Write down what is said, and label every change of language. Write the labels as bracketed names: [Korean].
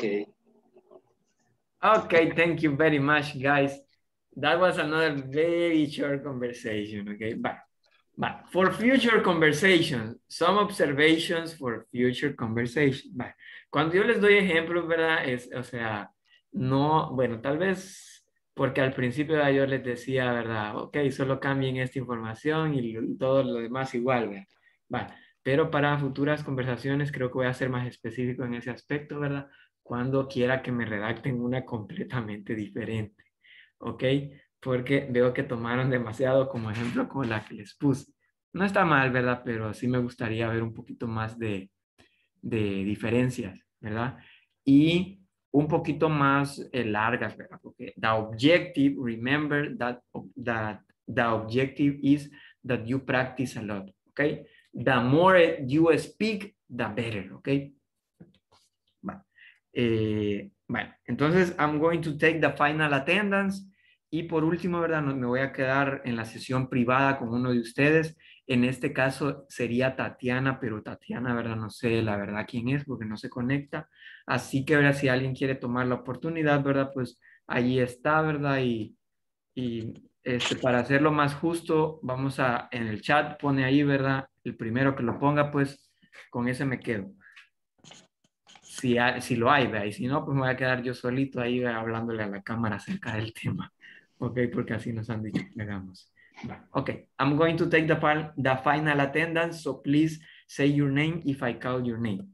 [English] Okay. Okay, thank you very much, guys. That was another very short conversation, okay? But for future conversations, some observations for future conversations. [Spanish] Cuando yo les doy ejemplos, ¿verdad? Tal vez porque al principio yo les decía, ¿verdad? Okay, solo cambien esta información y todo lo demás igual, ¿verdad? Pero para futuras conversaciones creo que voy a ser más específico en ese aspecto, ¿verdad? Cuando quiera que me redacten una completamente diferente, ¿ok? Porque veo que tomaron demasiado como ejemplo como la que les puse. No está mal, ¿verdad? Pero sí me gustaría ver un poquito más de diferencias, ¿verdad? Y un poquito más largas, ¿verdad? [English] Porque the objective, remember that the objective is that you practice a lot, ¿ok? The more you speak, the better, ¿ok? Entonces I'm going to take the final attendance [Spanish] y por último, ¿verdad? Me voy a quedar en la sesión privada con uno de ustedes. En este caso sería Tatiana, pero Tatiana, ¿verdad? No sé la verdad quién es porque no se conecta. Así que, ¿verdad? Si alguien quiere tomar la oportunidad, ¿verdad? Pues ahí está, ¿verdad? Y para hacerlo más justo, vamos a en el chat pone ahí, ¿verdad? El primero que lo ponga, pues con ese me quedo. Si lo hay, ¿verdad? Y si no, pues me voy a quedar yo solito ahí hablándole a la cámara acerca del tema, ¿ok? Porque así nos han dicho, hagamos. [English] Ok, I'm going to take the final attendance, so please say your name if I call your name.